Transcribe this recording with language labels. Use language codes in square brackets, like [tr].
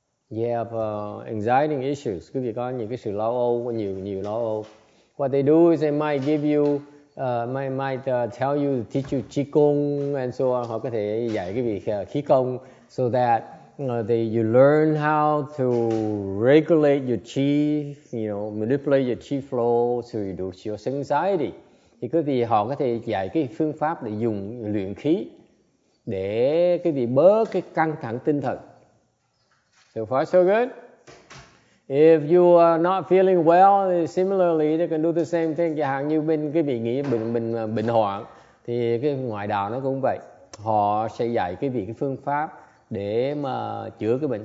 [en] You have anxiety issues, [vi] quý vị có những cái sự lo âu, nhiều lo âu. [en] What they do is they might give you, tell you, teach you qigong and so on. [vi] Họ có thể dạy quý vị khí công, [en] so that you learn how to regulate your qi, you know, manipulate your qi flow to reduce your anxiety. [vi] Thì quý vị họ có thể dạy cái phương pháp để dùng luyện khí để quý vị bớt cái căng thẳng tinh thần. [en] So far so good. If you are not feeling well, similarly they can do the same thing. [vi] Chẳng hạn như bên quý vị nghĩ bệnh hoạn, thì cái ngoại đạo nó cũng vậy. Họ sẽ dạy quý vị cái phương pháp để mà chữa cái bệnh.